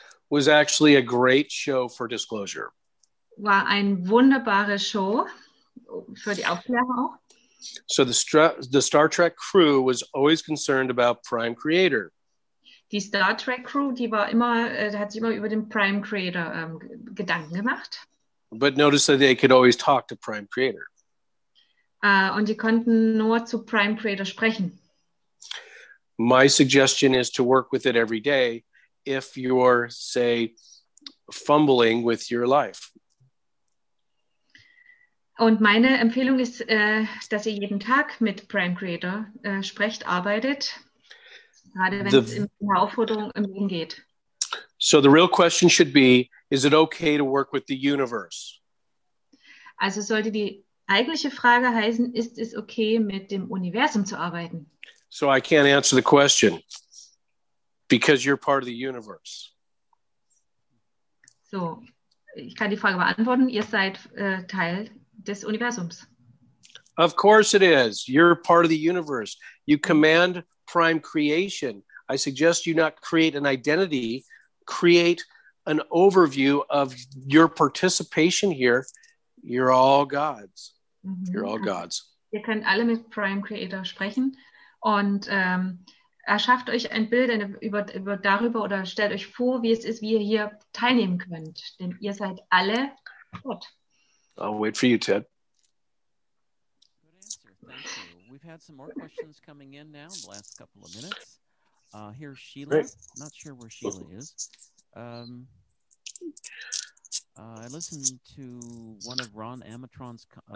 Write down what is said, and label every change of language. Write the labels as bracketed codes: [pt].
[en] Was actually a great show for disclosure. [de] War eine wunderbare Show für die Aufklärung auch. [en] So the Star Trek crew was always concerned about Prime Creator. [de] Die Star Trek crew, die war immer, hat sich immer über den Prime Creator Gedanken gemacht. [en] But notice that they could always talk to Prime Creator. [de] Und die konnten nur zu Prime Creator sprechen. [en] My suggestion is to work with it every day. If you're, say, fumbling with your life. [de] Und meine Empfehlung ist, dass ihr jeden Tag mit Prime Creator sprecht, arbeitet, gerade wenn es in der Aufforderung im Leben geht. [en] So the real question should be, is it okay to work with the universe? [de] Also sollte die eigentliche Frage heißen, ist es okay, mit dem Universum zu arbeiten? [en] So I can't answer the question. Because you're part of the universe. [de] So, ich kann die Frage beantworten. Ihr seid Teil des Universums. [en] Of course it is. You're part of the universe. You command prime creation. I suggest you not create an identity. Create an overview of your participation here. You're all gods. Mm-hmm. You're all gods. [de] Ihr könnt alle mit Prime Creator sprechen. Und erschafft euch ein Bild über darüber oder stellt euch vor, wie es ist, wie ihr hier teilnehmen könnt. Denn ihr seid alle Gott. [en] I'll wait for you, Ted. Thank you. We've had some more questions coming in now in the last couple of minutes. Here's Sheila. Great. Not sure where Sheila is. I listened to one of Ron Amatron's